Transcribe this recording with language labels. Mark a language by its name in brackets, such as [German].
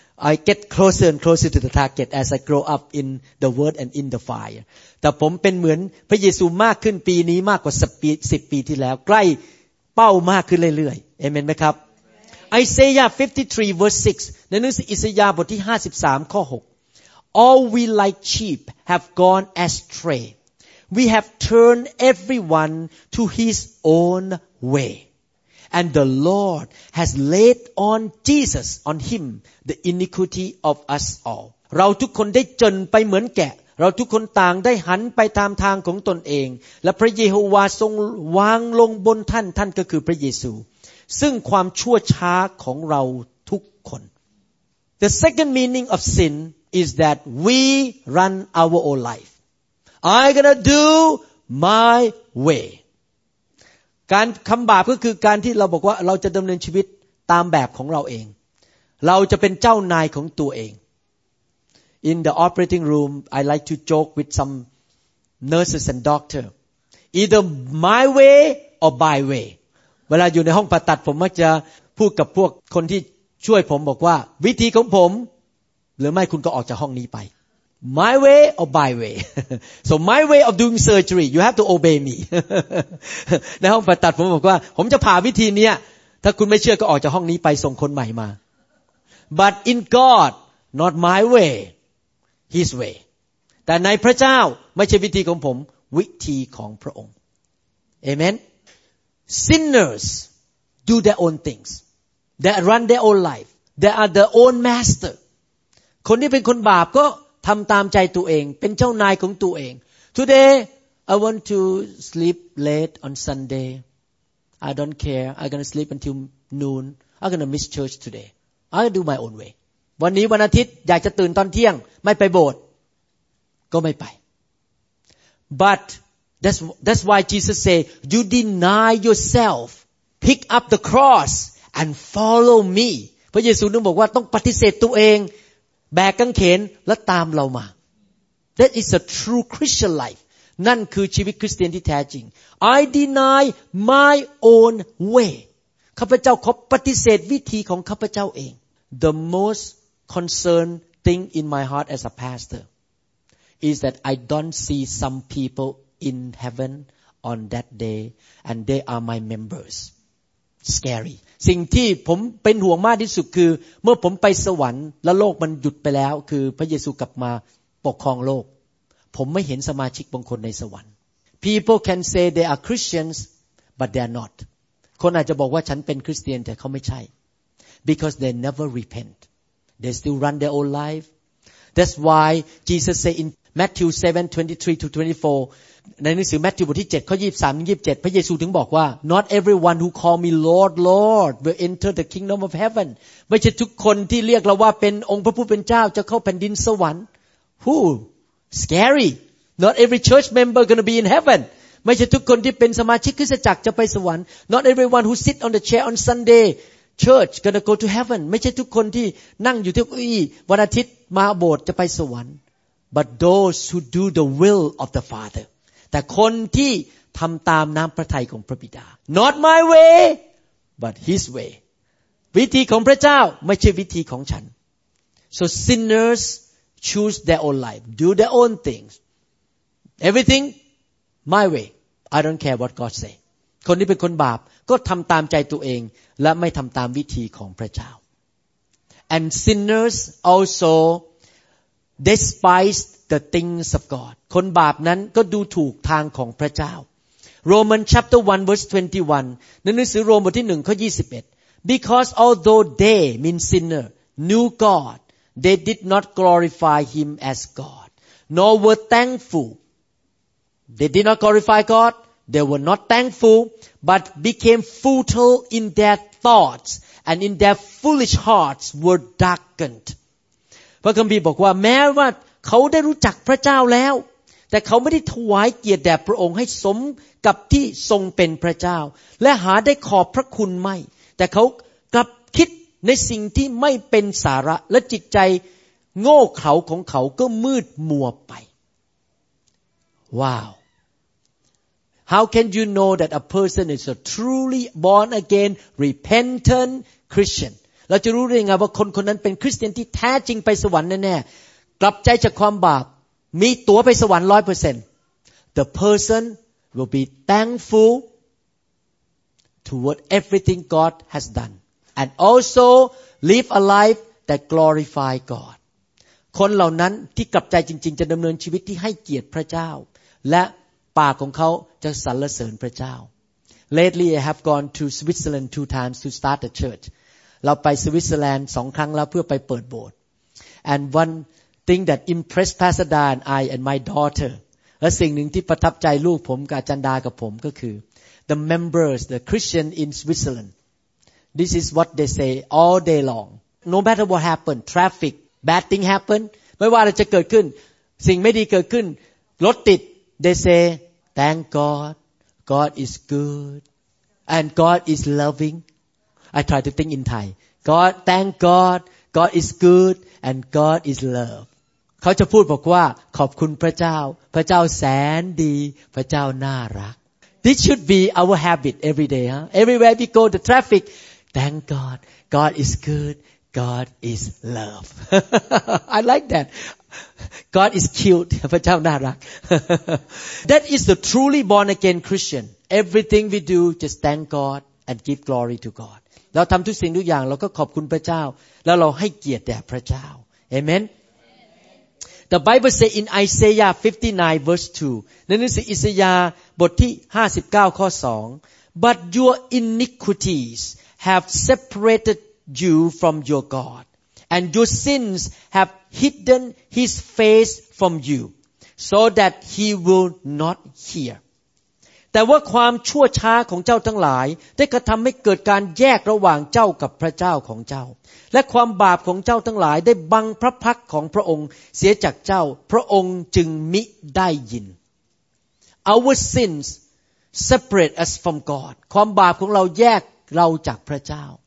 [English] I get closer and closer to the target as I grow up in the word and in the fire [Thai] แต่ผมเป็นเหมือนพระเยซูมากขึ้นปีนี้มากกว่า10ปีที่แล้วใกล้เป้ามากขึ้นเรื่อยๆเอเมนมั้ยครับ [English] Isaiah 53 verse 6 [Thai] ในหนังสืออิสยาห์บทที่53ข้อ6 [English] All we like sheep have gone astrayWe have turned everyone to his own way. And the Lord has laid on Jesus, on him, the iniquity of us all. [Thai] เราทุกคนได้จนไปเหมือนแกะเราทุกคนต่างได้หันไปตามทางของตนเองและพระเยโฮวาห์ทรงวางลงบนท่านท่านก็คือพระเยซูซึ่งความชั่วช้าของเราทุกคน [English] The second meaning of sin is that we run our own life. I'm gonna do my way. [Thai] การคำบาปก็คือการที่เราบอกว่าเราจะดำเนินชีวิตตามแบบของเราเองเราจะเป็นเจ้านายของตัวเอง [English] In the operating room, I like to joke with some nurses and doctors. Either my way or by way. [Thai] เวลาอยู่ในห้องผ่าตัดผมมักจะพูดกับพวกคนที่ช่วยผมบอกว่าวิธีของผมหรือไม่คุณก็ออกจากห้องนี้ไป [English] My way or by way. So my way of doing surgery, you have to obey me. [Thai] ในห้องผ่าตัดผมบอกว่าผมจะผ่าวิธีนี้ถ้าคุณไม่เชื่อก็ออกจากห้องนี้ไปส่งคนใหม่มา [English] But in God, not my way, His way. [Thai] แต่ในพระเจ้าไม่ใช่วิธีของผมวิธีของพระองค์ [English] Amen. Sinners do their own things. They run their own life. they are their own master [Thai] คนที่เป็นคนบาปก็ทำตามใจตัวเองเป็นเจ้านายของตัวเอง [English] today I want to sleep late on Sunday I don't care I'm gonna sleep until noon I'm gonna miss church today I'll do my own way [Thai] วันนี้วันอาทิตย์อยากจะตื่นตอนเที่ยงไม่ไปโบสถ์ก็ไม่ไป [English] but that's why Jesus say you deny yourself pick up the cross and follow me [Thai] พระเยซูนึกบอกว่าต้องปฏิเสธตัวเองแบกกางเขนแล้วตามเรามา [English] that is a true Christian life [Thai] นั่นคือชีวิตคริสเตียนที่แท้จริง [English] I deny my own way [Thai] ข้าพเจ้าขอปฏิเสธวิธีของข้าพเจ้าเอง [English] the most concerned thing in my heart as a pastor is that I don't see some people in heaven on that day and they are my members scary [Thai] สิ่งที่ผมเป็นห่วงมากที่สุดคือเมื่อผมไปสวรรค์และโลกมันหยุดไปแล้วคือพระเยซูกลับมาปกครองโลกผมไม่เห็นสมาชิกบางคนในสวรรค์ [English] People can say they are Christians but they are not [Thai] คนอาจจะบอกว่าฉันเป็นคริสเตียนแต่เขาไม่ใช่ [English] because they never repent they still run their own life that's why Jesus say in Matthew 7:23-24 [Thai] ในหนังสือมัทธิวบทที่7ข้อ23ถึง27พระเยซูถึงบอกว่า [English] not everyone who call me Lord Lord will enter the kingdom of heaven [Thai] ไม่ใช่ทุกคนที่เรียกเราว่าเป็นองค์พระผู้เป็นเจ้าจะเข้าแผ่นดินสวรรค์ [English] Who? Scary. Not every church member gonna be in heaven. [Thai] ไม่ใช่ทุกคนที่เป็นสมาชิกคริสตจักรจะไปสวรรค์ [English] Not everyone who sit on the chair on Sunday church gonna go to heaven. [Thai] ไม่ใช่ทุกคนที่นั่งอยู่ที่เก้าอี้วันอาทิตย์มาโบสถ์จะไปสวรรค์ [English] But those who do the will of the Father. [Thai] แต่คนที่ทำตามน้ำพระทัยของพระบิดา [English] Not my way, but His way. [Thai] วิธีของพระเจ้าไม่ใช่วิธีของฉัน [English] So sinnerschoose their own life do their own things everything my way I don't care what God say [Thai] คนที่เป็นคนบาปก็ทำตามใจตัวเองและไม่ทำตามวิธีของพระเจ้า [English] and sinners also despise the things of God [Thai] คนบาปนั้นก็ดูถูกทางของพระเจ้า [English] Romans chapter 1 verse 21 [Thai] ในหนังสือโรมบทที่1ข้อ21 [English] because although they mean sinner knew GodThey did not glorify him as God, nor were thankful. They did not glorify God. They were not thankful, but became futile in their thoughts, and in their foolish hearts were darkened. [Thai] พระคัมภีร์บอกว่าแม้ว่าเขาได้รู้จักพระเจ้าแล้วแต่เขาไม่ได้ถวายเกียรติแด่พระองค์ให้สมกับที่ทรงเป็นพระเจ้าและหาได้ขอบพระคุณไม่แต่เขากลับคิดในสิ่งที่ไม่เป็นสาระและจิตใจโง่เขลาของเขาก็มืดมัวไปว้าว [English] How can you know that a person is a truly born again repentant Christian [Thai] เราจะรู้ได้ไงว่าคนคนนั้นเป็นคริสเตียนที่แท้จริงไปสวรรค์แน่ๆกลับใจจากความบาปมีตั๋วไปสวรรค์ 100% [English] The person will be thankful toward everything God has doneAnd also live a life that glorify God. [Thai] คนเหล่านั้นที่กลับใจจริงๆจะดำเนินชีวิตที่ให้เกียรติพระเจ้าและปากของเขาจะสรรเสริญพระเจ้า [English] Lately, I have gone to Switzerland 2 times to start a church. [Thai] เราไปสวิตเซอร์แลนด์2 ครั้งแล้วเพื่อไปเปิดโบสถ์ [English] And one thing that impressed Pastor Dan, I and my daughter, [Thai] และสิ่งหนึ่งที่ประทับใจลูกผมกับจันดากับผมก็คือ [English] the members, the Christian in Switzerland. This is what they say all day long. No matter what happened, traffic, bad thing happened. [Thai] ไม่ว่าอะไรจะเกิดขึ้นสิ่งไม่ดีเกิดขึ้นรถติด [English] They say, thank God. God is good. And God is loving. I try to think in Thai. God, thank God. God is good. And God is love. [Thai] เขาจะพูดบอกว่าขอบคุณพระเจ้าพระเจ้าแสนดีพระเจ้าน่ารัก [English] This should be our habit every day, huh? Everywhere we go, the traffic. Thank God. God is good. God is love. I like that. God is cute. [Thai] พระเจ้าน่ารัก [English] That is the truly born again Christian. Everything we do, just thank God and give glory to God. [Thai] เราทำทุกสิ่งทุกอย่างเราก็ขอบคุณพระเจ้าแล้วเราให้เกียรติแด่พระเจ้า Amen. [English] The Bible says in Isaiah 59 verse 2. [Thai] ในหนังสืออิสยาห์บทที่59ข้อ2 [English] But your iniquities have separated you from your God, and your sins have hidden his face from you, so that he will not hear. [Thai] แต่ว่าความชั่วช้าของเจ้าทั้งหลายได้กระทำให้เกิดการแยกระหว่างเจ้ากับพระเจ้าของเจ้าและความบาปของเจ้าทั้งหลายได้บังพระพักของพระองค์เสียจากเจ้าพระองค์จึงมิได้ยิน [English] Our sins separate us from God [Thai] ความบาปของเราแยกเราจากพระเจ้า